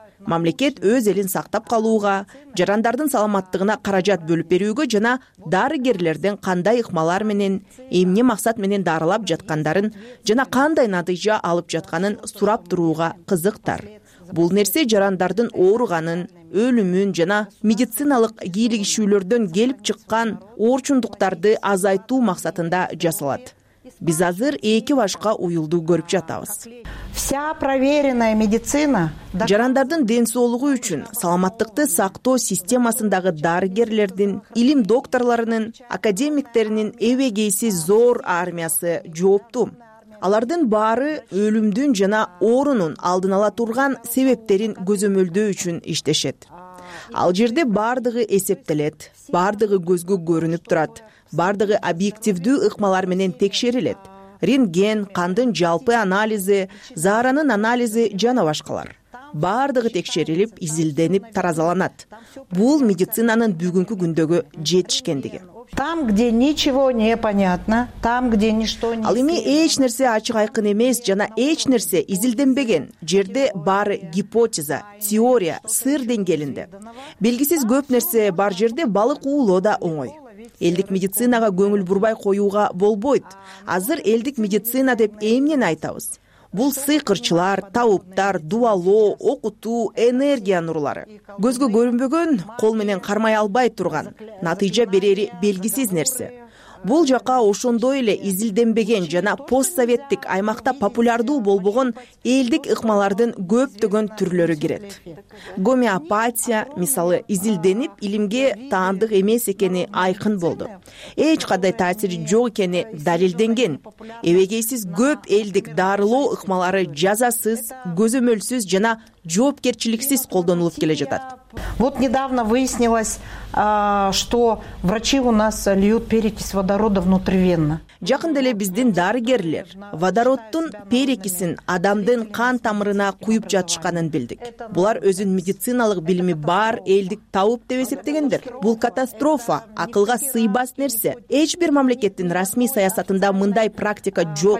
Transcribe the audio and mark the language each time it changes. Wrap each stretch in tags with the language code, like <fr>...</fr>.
<ky>Мамлекет өз элин сактап калууга, жарандардын саламаттыгына каражат бөлүп берүүгө жана дарыгерлерден кандай ыкмалар менен, эмне максат менен дарылап жаткандарын жана кандай натыйжа алып жатканын сурап турууга кызыктар. Бул нерсе жарандардын ооруганын, өлүмүн жана медициналык кийлигишүүлөрдөн келип чыккан оорчундуктарды азайтуу максатында жасалат. Биз азыр эки башка уюлду көрүп жатабыз.</ky> <ru>Вся проверенная медицина.</ru> <ky>Жарандардын ден соолугу үчүн саламаттыкты сактоо системасындагы дарыгерлердин, илим докторлорунун, академиктеринин эбегейсиз зор армиясы жоопту. Алардын баары өлүмдүн жана оорунун алдын ала турган себептерин көзөмөлдөө үчүн иштешет. Ал жерде бардыгы эсептелет, бардыгы көзгө көрүнүп турат, бардыгы объективдүү ыкмалар менен текшерилет. Рентген, кандын жалпы анализи, зааранын анализи жана башкалар. Бардыгы текшерилип, изилденип, таразаланат. Бул медицинанын бүгүнкү күндөгү жетишкендиги.</ky> <ru>Там, где ничего не понятно, там, где ничто не...</ru> <ky>Ал эми эч нерсе ачык айкын эмес жана эч нерсе изилденбеген жерде баары гипотеза, теория, сыр деңгээлинде. Белгисиз көп нерсе бар жерде балык уулоо да оңой. Элдик медицинага көңүл бурбай коюуга болбойт. Азыр элдик медицина деп эмнени айтабыз? Бул сыйкырчылар, табыптар, дуалоо, окутуу, энергия нурлары. Көзгө көрүнбөгөн, кол менен кармай албай турган, натыйжа берери белгисиз нерсе. Бул жака ошондой эле изилденбеген жана постсоветтик аймакта популярдуу болбогон элдик ыкмалардын көптөгөн түрлөрү кирет. Гомеопатия, мисалы, изилденип, илимге таандык эмес экени айкын болду. Эч кандай таасири жок экени далилденген. Эбегейсиз көп элдик дарылоо ыкмалары жазасыз, көзөмөлсүз жана жоопкерчиликсиз колдонулуп келе жатат.</ky> <ru>Вот недавно выяснилось, что врачи у нас льют перекись водорода внутривенно.</ru> <ky>Жакында эле биздин дарыгерлер водороддун перекисин адамдын кан тамырына куюп жатышканын билдик. Булар өзүн медициналык билими бар элдик табып деп эсептегендер. Бул катастрофа, акылга сыйбас нерсе. Эч бир мамлекеттин расмий саясатында мындай практика жок.</ky>